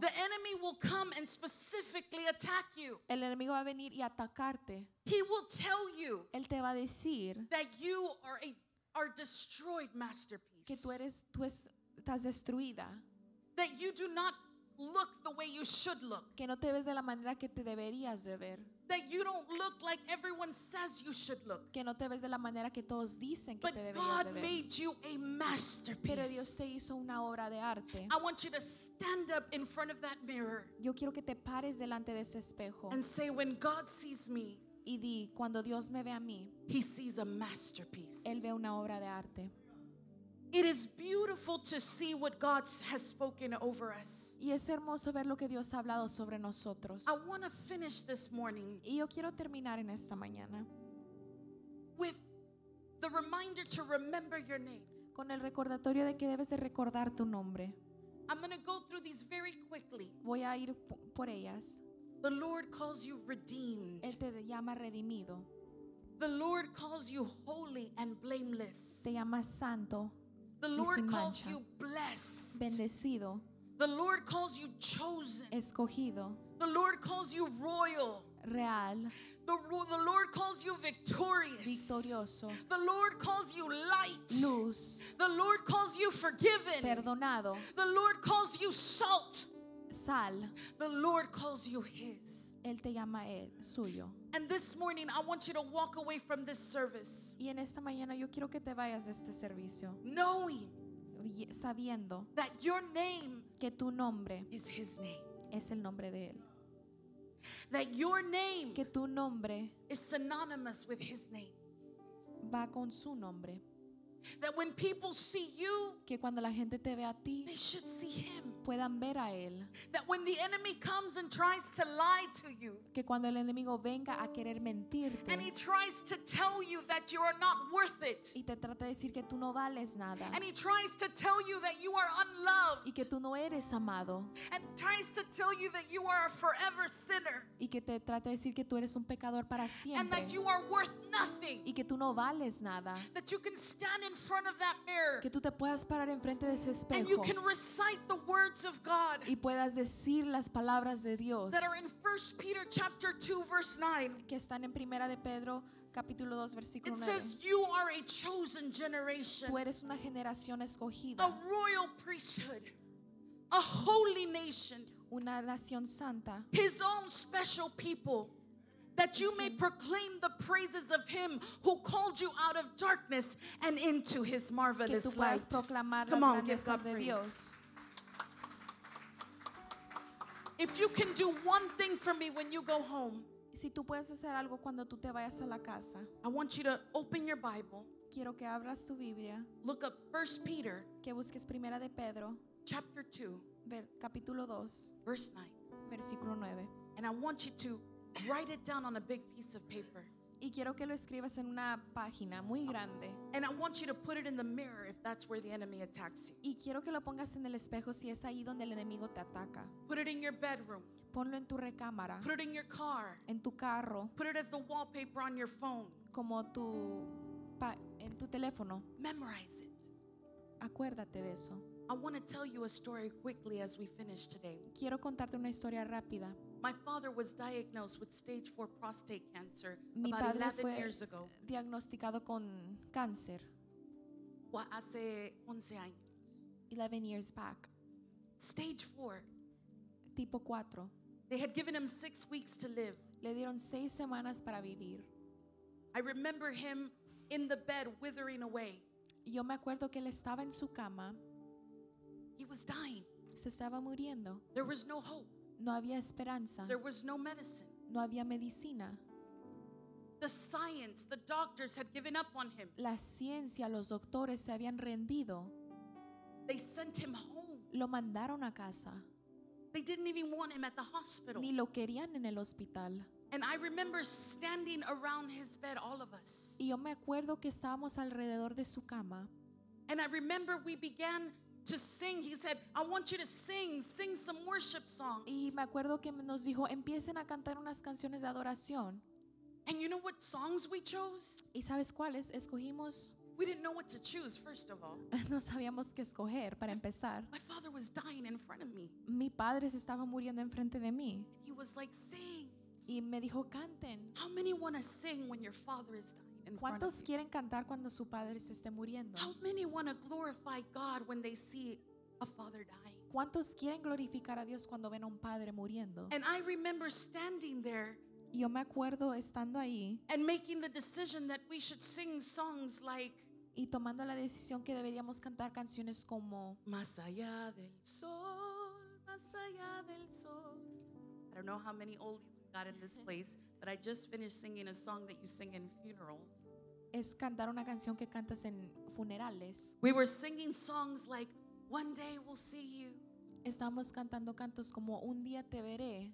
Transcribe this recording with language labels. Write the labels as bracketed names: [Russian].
[English] the enemy will come and specifically attack you. [Spanish] El enemigo va a venir y atacarte. [English] He will tell you, [Spanish] él te va a decir, [English] that you are a destroyed masterpiece. [Spanish] Que tú estás destruida. [English] That you do not look the way you should look. [Spanish] Que no te ves de la manera que te deberías de ver. [English] That you don't look like everyone says you should look. [Spanish] Que no te ves de la manera que todos dicen que [English] but [Spanish] te deberías [English] God [Spanish] de ver. [English] Made you a masterpiece. [Spanish] Pero Dios te hizo una obra de arte. [English] I want you to stand up in front of that mirror. [Spanish] Yo quiero que te pares delante de ese espejo. [English] And say, when God sees me, [Spanish] y di, cuando Dios me ve a mí, [English] he sees a masterpiece. [Spanish] Él ve una obra de arte. [English] It is beautiful to see what God has spoken over us. [Spanish] Y es hermoso ver lo que Dios ha hablado sobre nosotros. [English] I want to finish this morning. [Spanish] Y yo quiero terminar en esta mañana. [English] With the reminder to remember your name. [Spanish] Con el recordatorio de que debes de recordar tu nombre. [English] I'm going to go through these very quickly. [Spanish] Voy a ir por ellas. [English] The Lord calls you redeemed. [Spanish] Él te llama redimido. [English] The Lord calls you holy and blameless. [Spanish] Te llama santo. [English] The Lord calls you blessed. [Spanish] Bendecido. [English] The Lord calls you chosen. [Spanish] Escogido. [English] The Lord calls you royal. [Spanish] Real. [English] The Lord calls you victorious. [Spanish] Victorioso. [English] The Lord calls you light. [Spanish] Luz. [English] The Lord calls you forgiven. [Spanish] Perdonado. [English] The Lord calls you salt. [Spanish] Sal. [English] The Lord calls you his. [Spanish] Él te llama él, suyo. [English] And this morning I want you to walk away from this service. [Spanish] Y en esta mañana yo quiero que te vayas de este servicio. [English] Knowing. [Spanish] Sabiendo. [English] That your name. [Spanish] Que tu nombre. [English] Is his name. [Spanish] Es el nombre de él. [English] That your name. [Spanish] Que tu nombre. [English] Is synonymous with his name. [Spanish] Va con su nombre. [English] That when people see you, [Spanish] que cuando la gente te ve a ti, [English] they should see him. [Spanish] Puedan ver a él. [English] That when the enemy comes and tries to lie to you, [Spanish] que cuando el enemigo venga a querer mentirte, [English] and he tries to tell you that you are not worth it, [Spanish] y te trata de decir que tú no vales nada, [English] and he tries to tell you that you are unloved, [Spanish] y que tú no eres amado, [English] and tries to tell you that you are a forever sinner, [Spanish] y que te trata de decir que tú eres un pecador para siempre, [English] and that you are worth nothing, [Spanish] y que tú no vales nada, [English] that you can stand in front of that mirror, [Spanish] que tú te puedas parar enfrente de ese espejo, [English] and you can recite the words of God, [Spanish] y puedas decir las palabras de Dios, [English] that are in 1 Peter chapter 2 verse 9, [Spanish] que están en Primera de Pedro capítulo 2 versículo 9. [English] It says you are a chosen generation, [Spanish] tú eres una generación escogida, [English] a royal priesthood, a holy nation, [Spanish] una nación santa, [English] his own special people, that you may proclaim the praises of him who called you out of darkness and into his marvelous light. Come on, give God praise. If you can do one thing for me when you go home, [Spanish] si tú puedes hacer algo cuando tú te vayas a la casa, [English] I want you to open your Bible. [Spanish] Quiero que abras tu Biblia. [English] Look up 1 Peter. [Spanish] Que busques Primera de Pedro. [English] Chapter 2. [Spanish] Capítulo 2. [English] Verse 9. [Spanish] Versículo 9. [English] And I want you to write it down on a big piece of paper. [Spanish] Y quiero que lo escribas en una página muy grande. [English] And I want you to put it in the mirror if that's where the enemy attacks you. [Spanish] Y quiero que lo pongas en el espejo si es ahí donde el enemigo te ataca. [English] Put it in your bedroom. [Spanish] Ponlo en tu recámara. [English] Put it in your car. [Spanish] En tu carro. [English] Put it as the wallpaper on your phone. [Spanish] Como tu en tu teléfono. [English] Memorize it. [Spanish] Acuérdate de eso. [English] I want to tell you a story quickly as we finish today. [Spanish] Quiero contarte una historia rápida. [English] My father was diagnosed with stage 4 prostate cancer about 11 years ago. [Spanish] Mi padre fue diagnosticado con cáncer. Hace 11 años. [English] 11 years back. Stage 4. [Spanish] Tipo 4. [English] They had given him 6 weeks to live. [Spanish] Le dieron 6 semanas para vivir. [English] I remember him in the bed withering away. [Spanish] Yo me acuerdo que él estaba en su cama. [English] He was dying. [Spanish] Se estaba muriendo. [English] There was no hope. [Spanish] No había esperanza. [English] There was no medicine. [Spanish] No había medicina. [English] The science, the doctors had given up on him. [Spanish] La ciencia, los doctores se habían rendido. [English] They sent him home. [Spanish] Lo mandaron a casa. [English] They didn't even want him at the hospital. [Spanish] Ni lo querían en el hospital. [English] And I remember standing around his bed, all of us. [Spanish] Y yo me acuerdo que estábamos alrededor de su cama. [English] And I remember we began to sing. He said, I want you to sing, sing some worship songs. [Spanish] Y me acuerdo que nos dijo, empiecen a cantar unas canciones de adoración. [English] And you know what songs we chose? [Spanish] ¿Y sabes cuáles escogimos? [English] We didn't know what to choose, first of all. [Spanish] No sabíamos qué escoger para empezar. [English] My father was dying in front of me. [Spanish] Mi padre se estaba muriendo enfrente de mí. [English] He was like, sing. [Spanish] Y me dijo, canten. [English] How many want to sing when your father is dying? [Spanish] ¿Cuántos quieren cantar cuando su padre se esté muriendo? [English] How many want to glorify God when they see a father dying? [Spanish] ¿Cuántos quieren glorificar a Dios cuando ven a un padre muriendo? [English] And I remember standing there. [Spanish] Yo me acuerdo estando ahí. [English] And making the decision that we should sing songs like. [Spanish] Y tomando la decisión que deberíamos cantar canciones como. Más allá del sol, más allá del sol. [English] I don't know how many oldies we got in this place, but I just finished singing a song that you sing in funerals. [Spanish] Es cantar una canción que cantas en funerales. [English] We were singing songs like, one day we'll see you. [Spanish] Estamos cantando cantos como, un día te veré.